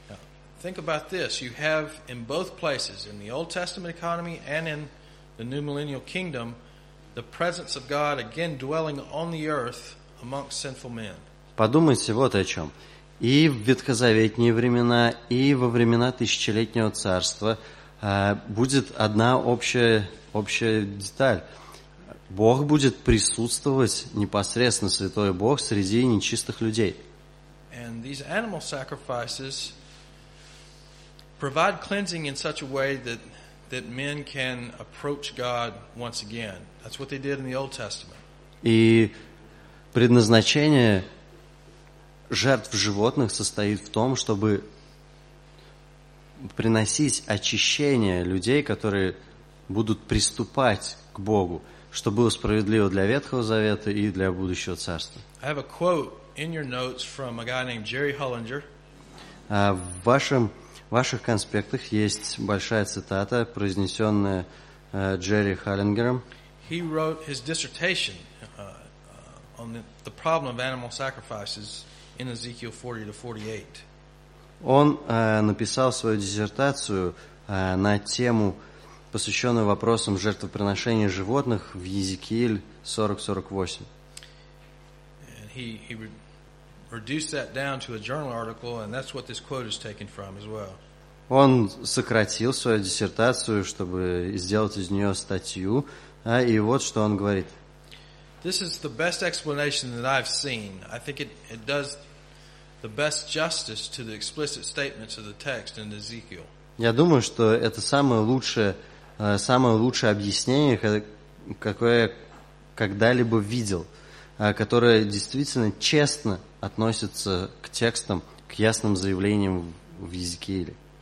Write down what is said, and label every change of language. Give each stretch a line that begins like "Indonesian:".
English: Now, think about this: you have in both places, in the Old Testament economy and in the new millennial kingdom, the presence of God again dwelling on the earth amongst sinful men.
Russian: Подумайте вот о чем. И в ветхозаветные времена, и во времена тысячелетнего царства будет одна общая деталь. Бог будет присутствовать, непосредственно Святой Бог, среди нечистых людей.
English: And these animal sacrifices provide cleansing in such a way that men can approach God once again. That's what they did in the Old Testament.
Russian: И предназначение жертв животных состоит в том, чтобы приносить очищение людей, которые будут приступать к Богу, что было справедливо для Ветхого Завета и для будущего царства.
English: I have a quote in your notes from a guy named Jerry Hollinger.
Russian: В ваших конспектах есть большая цитата, произнесенная Джерри Холлингером.
English: He wrote his dissertation on the problem of animal sacrifices. In Ezekiel 40-48.
Russian: Он написал свою диссертацию на тему, посвященную вопросам жертвоприношения животных в Иезекииле 40-48.
English: He reduced that down to a journal article, and that's what this quote is taken from as well.
Russian: Он сократил свою диссертацию, чтобы сделать из нее статью, и вот что он говорит.
English: This is the best explanation that I've seen. I think it does the best justice to the explicit statements of the text in Ezekiel.
Russian: Я думаю, что это самое лучшее объяснение, какое я когда-либо видел, которое действительно честно относится к текстам, к ясным заявлениям в Иезекииле.